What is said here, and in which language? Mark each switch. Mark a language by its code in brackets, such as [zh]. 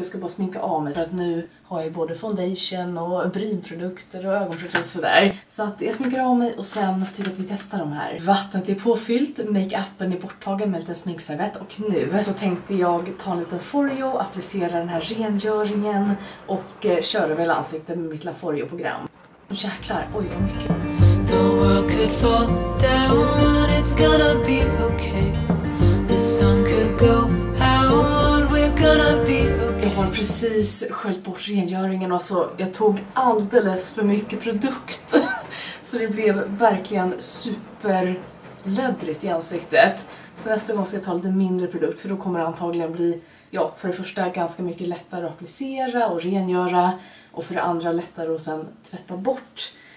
[sv] Jag ska bara sminka av mig, för att nu har jag både foundation och brynprodukter och ögonprodukter och sådär. Så att jag sminkar av mig och sen tycker jag att vi testar de här. Vattnet är påfyllt, make-upen är borttagen med lite sminkservett. Och nu så tänkte jag ta en liten Foreo, applicera den här rengöringen och köra väl ansiktet med mitt lilla Foreo-program. Jäklar, oj vad mycket. [en] The world could fall down and it's gonna be okay. The sun could go. [sv] Jag har precis sköljt bort rengöringen, och så jag tog alldeles för mycket produkt. Så det blev verkligen superlödrigt i ansiktet. Så nästa gång ska jag ta lite mindre produkt, för då kommer det antagligen bli, ja, för det första ganska mycket lättare att applicera och rengöra. Och för det andra lättare att sen tvätta bort